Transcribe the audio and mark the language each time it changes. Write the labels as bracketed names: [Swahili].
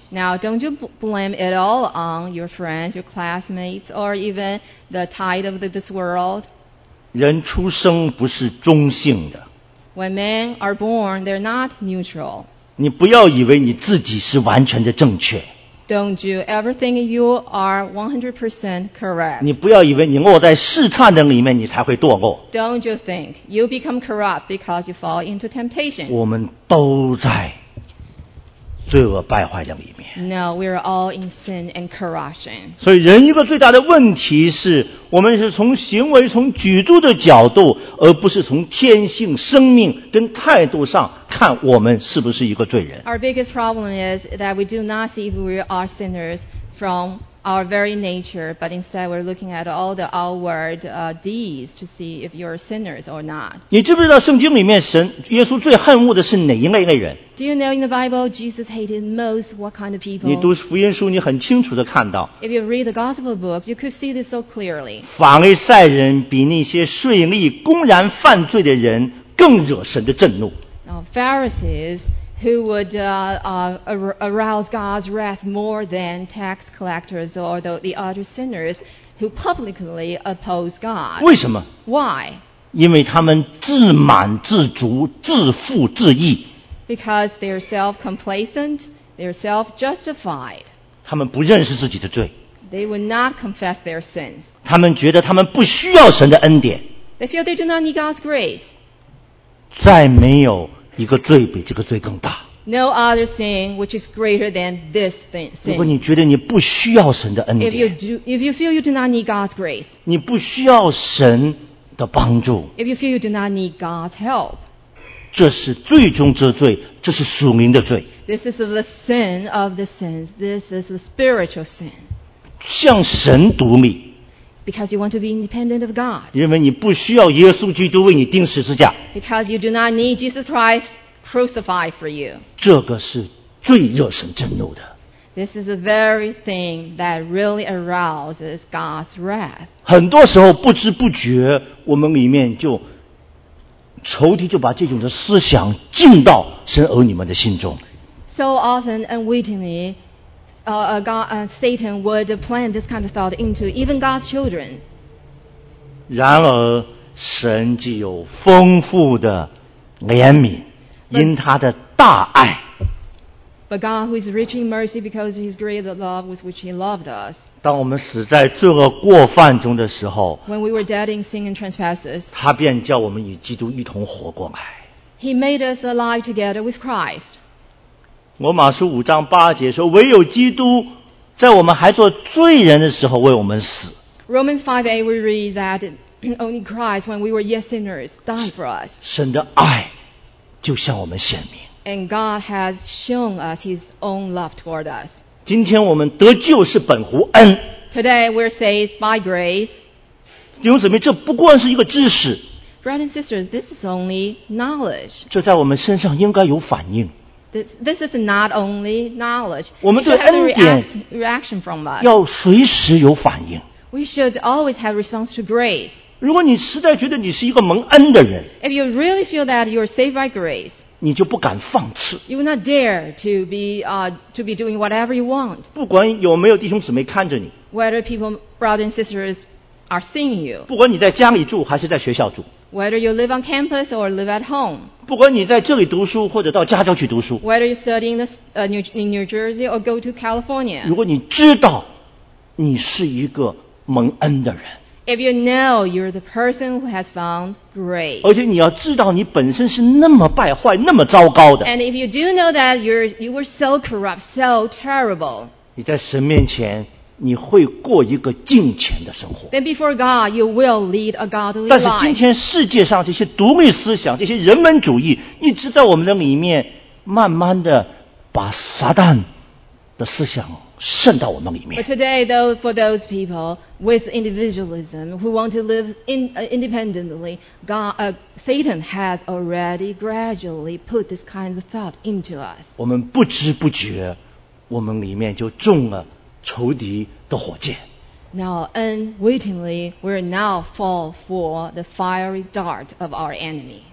[English] Now don't you blame it all on your friends, your classmates, or even the tide of this world? [Chinese] 人出生不是中性的。 [English] When men are born, they're not neutral. [Chinese] 你不要以为你自己是完全的正确。 [English] Don't you ever think you are 100% correct? [Chinese] 你不要以为你落在试探的里面，你才会堕落。 [English] Don't you think you become corrupt because you fall into temptation? [Chinese] 我们都在罪恶败坏的里面。 [English] No, we are all in sin and corruption. [Chinese] 所以人一个最大的问题是，我们是从行为、从举足的角度，而不是从天性、生命跟态度上看我们是不是一个罪人。 [English] Our biggest problem is that we do not see if we are sinners from our very nature, but instead we're looking at all the outward deeds to see if you're sinners or not. [Chinese] 你知不知道圣经里面神耶稣最恨恶的是哪一类类人？ [English] Do you know in the Bible Jesus hated most what kind of people? [Chinese] 你读福音书你很清楚地看到。 [English] If you read the gospel books, you could see this so clearly. [Chinese] 法利赛人比那些税吏公然犯罪的人更惹神的震怒。 [English] Pharisees who would arouse God's wrath more than tax collectors or the other sinners who publicly oppose God. [Chinese] 为什么? [English] Why? [Chinese] 因为他们自满自足自负自义。 [English] Because they're self-complacent, they're self-justified. [Chinese] 他们不认识自己的罪。 [English] They would not confess their sins. [Chinese] 他们觉得他们不需要神的恩典。 [English] They feel they do not need God's grace. [Chinese] 再没有一个罪比这个罪更大。 [English] No other sin which is greater than this sin. [Chinese] 如果你觉得你不需要神的恩典。 [English] If you feel you do not need God's grace. [Chinese] 你不需要神的帮助。 [English] If you feel you do not need God's help. [Chinese] 这是罪中之罪，这是属灵的罪。 [English] This is the sin of the sins. This is the spiritual sin. [Chinese] 向神独立。 [English] Because you want to be independent of God. [Chinese] 因为你不需要耶稣基督为你钉十字架。 [English] Because you do not need Jesus Christ crucified for you. [Chinese] 这个是最惹神震怒的。 [English] This is the very thing that really arouses God's wrath. [Chinese] 很多时候不知不觉，我们里面就仇敌就把这种的思想进到神儿女们的心中。 [English] So often, unwittingly,Satan would plant this kind of thought into even God's children. [Chinese] 然而神既有丰富的怜悯因他的大爱。 [English] But God who is rich in mercy because of his great love with which he loved us. [Chinese] 当我们死在罪恶过犯中的时候 [English] When we were dead in sin and trespasses. [Chinese] 他便叫我们与基督一同活过来。 [English] He made us alive together with Christ. [Chinese] 罗马书五章八节说唯有基督在我们还做罪人的时候为我们死。 [English] Romans 5a we read that only Christ when we were yet sinners died for us. [Chinese] 神的爱就向我们显明。 [English] And God has shown us his own love toward us. [Chinese] 今天我们得救是本乎恩。 [English] Today we're saved by grace. [Chinese] 弟兄姊妹这不过是一个知识。 [English] Brothers and sisters, this is only knowledge. [Chinese] 这在我们身上应该有反应。 [English] This is not only knowledge. [Chinese] 我们对恩典 [English] reaction from us. [Chinese] 要随时有反应。 [English] We should always have response to grace. [Chinese] 如果你实在觉得你是一个蒙恩的人 [English] If you really feel that you are saved by grace, [Chinese] 你就不敢放肆。 [English] You will not dare to be doing whatever you want. [Chinese] 不管有没有弟兄姊妹看着你 [English] Whether people, brothers and sisters, are seeing you. [Chinese] 不管你在家里住还是在学校住。 [English] Whether you live on campus or live at home. [Chinese] 不管你在这里读书或者到加州去读书。 [English] Whether you study in New Jersey or go to California. [Chinese] 如果你知道你是一个蒙恩的人。 [English] If you know you're the person who has found grace. [Chinese] 而且你要知道你本身是那么败坏那么糟糕的。 [English] And if you do know that you were so corrupt, so terrible. [Chinese] 你在神面前你会过一个敬虔的生活。 [English] Then before God, you will lead a godly life. [Chinese] 但是今天世界上这些独立思想、这些人文主义，一直在我们的里面，慢慢的把撒旦的思想渗到我们里面。 [English] But today, though, for those people with individualism who want to live independently, Satan has already gradually put this kind of thought into us. [Chinese] 我们不知不觉，我们里面就中了。仇敌的火箭。 [English] Now, unwittingly, we're now fall for the fiery dart of our enemy.